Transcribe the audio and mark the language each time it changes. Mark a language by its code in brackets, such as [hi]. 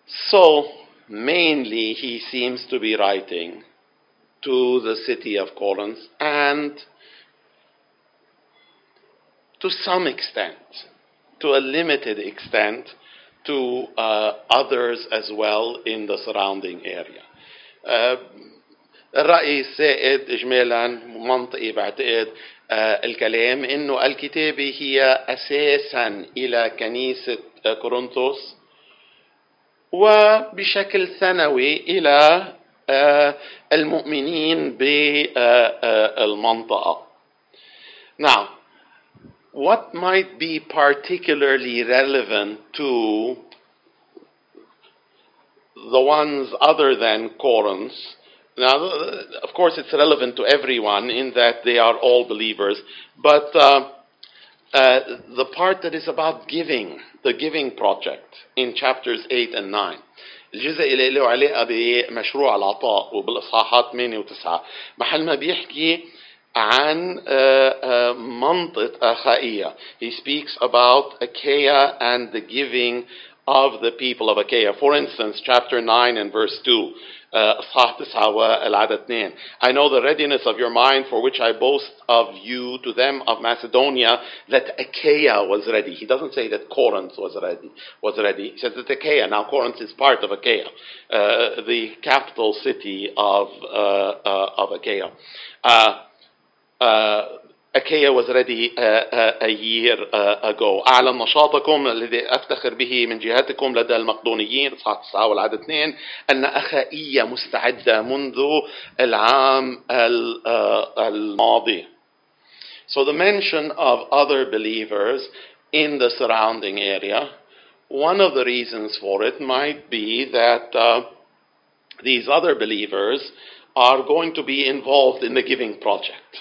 [en] So mainly he seems to be writing to the city of Corinth and to some extent, to a limited extent, to others as well in the surrounding area. [ar] الرأي السائد إجمالا منطقي بعتقد الكلام إنه الكتابة هي أساسا إلى كنيسة كورنثوس وبشكل ثانوي إلى المؤمنين بالمنطقة. [en] Now, what might be particularly relevant to the ones other than Corinth? Now, of course, it's relevant to everyone in that they are all believers, but the part that is about giving, the giving project in chapters 8 and 9. [ar] الجزء اللي له علاقة بمشروع العطاء وبالإصحاحات 8 و9 محل ما بيحكي عن منطقة أخائية. [en] He speaks about Achaia and the giving of the people of Achaia. For instance, chapter 9 and verse 2. [ar] إصحاح 9 والعدد 2. [en] I know the readiness of your mind for which I boast of you to them of Macedonia that Achaia was ready. He doesn't say that Corinth was ready. He says that Achaia, now Corinth is part of Achaia, the capital city of Achaia. Achaia was ready a year ago. [ar] أعلن نشاطكم الذي أفتخر به من جهتكم لدى المقدونيين صح 9 والعدد 2 أن أخائية مستعدة منذ العام الماضي. [en] So the mention of other believers in the surrounding area, one of the reasons for it might be that these other believers are going to be involved in the giving project.